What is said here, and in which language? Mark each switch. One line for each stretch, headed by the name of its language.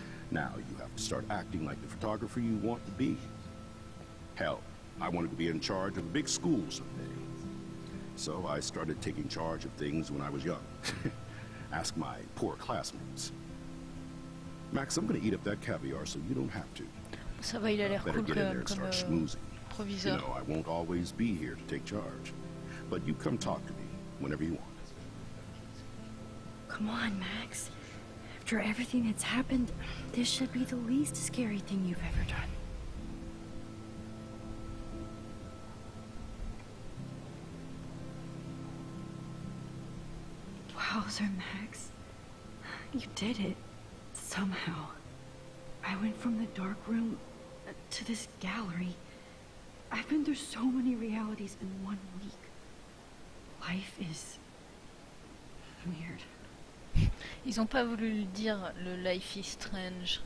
English: Now you have to start acting like the photographer you want to be. Hell, I wanted to be in charge of a big school someday. So I started taking charge of things when I was young. Ask my poor classmates. Max, I'm gonna eat up that caviar so you don't have to. Ça va, il a l'air cool comme proviseur. You know, I won't always be here to take charge. But you come talk to me whenever you want. Come on, Max. After everything that's happened, this should be the least scary thing you've ever done. Wowzer, Max. You did it. Somehow. I went from the dark room to this gallery. I've been through so many realities in 1 week. Life is weird.
French: Ils ont pas voulu dire le life is strange.